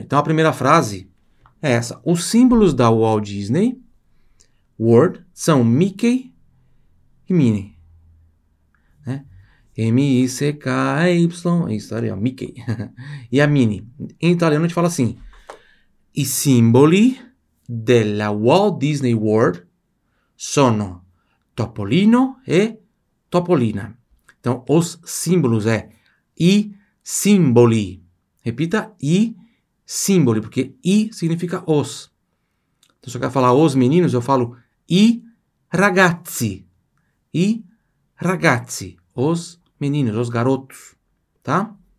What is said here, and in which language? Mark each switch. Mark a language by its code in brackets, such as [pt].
[pt] Então, a primeira frase é essa. Os símbolos da Walt Disney World são Mickey e Minnie. Né? M-I-C-K-E-Y. Isso, olha aí, ó, Mickey. E a Minnie. Em italiano, a gente fala assim. [it] I simboli della Walt Disney World sono Topolino e Topolina. [pt] Então, os símbolos é [it] i simboli. [pt] Repita, [it] i simboli, [pt] porque i significa os. Então, se eu quero falar os meninos, eu falo [it] i ragazzi. I ragazzi, [pt] os meninos, os garotos, tá?